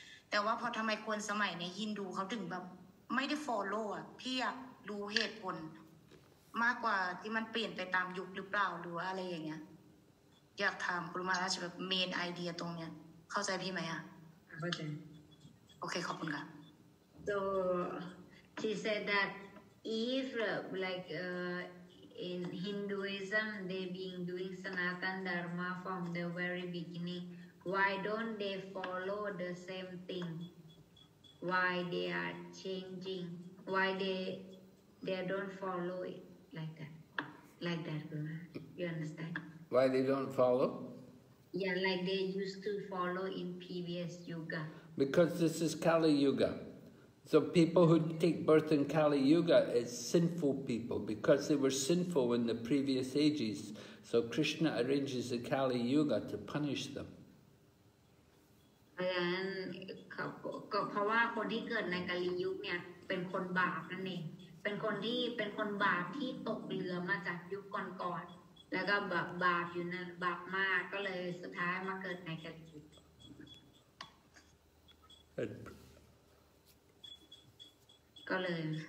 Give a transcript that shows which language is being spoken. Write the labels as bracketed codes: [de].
[th] แต่ว่าพอทำไมคนสมัยเนี่ยฮินดูเขาถึงแบบไม่ได้ follow อ่ะพี่อยากรู้เหตุผลมากกว่าที่มันเปลี่ยนไปตามยุคหรือเปล่าหรืออะไรอย่างเงี้ยอยากถามครูมาราชแบบ main idea ตรงเนี้ยเข้าใจพี่ไหมอ่ะ เข้าใจ โอเคขอบคุณค่ะ [en] so she said that if like in Hinduism they been doing Sanatan Dharma from the very beginning why don't they follow the same thingWhy they are changing? Why they don't follow it like that? Like that, you understand? Why they don't follow? Yeah, like they used to follow in previous yuga. Because this is Kali Yuga. So people who take birth in Kali Yuga is sinful people because they were sinful in the previous ages. So Krishna arranges the Kali Yuga to punish them. [th] เพราะฉะนั้นก็เพราะว่าคนที่เกิดในกาลยุคเนี่ยเป็นคนบาปนั่นเองเป็นคนบาปที่ตกเรือมาจากยุคก่อนๆแล้วก็บาปอยู่นั่นบาปมากก็เลยสุดท้ายมาเกิดในกาลยุคก็เลย